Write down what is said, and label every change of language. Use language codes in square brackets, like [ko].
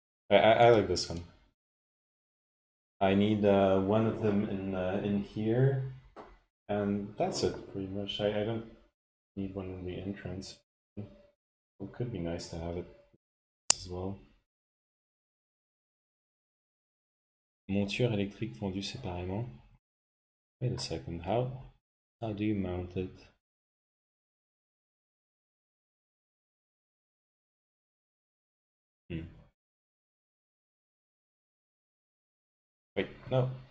[en] I like this one. I need one of them in here, and that's it pretty much. I don't need one in the entrance. It could be nice to have it as well. [fr] Monture électrique vendue séparément. [en] Wait a second, how do you mount it? Wait, no.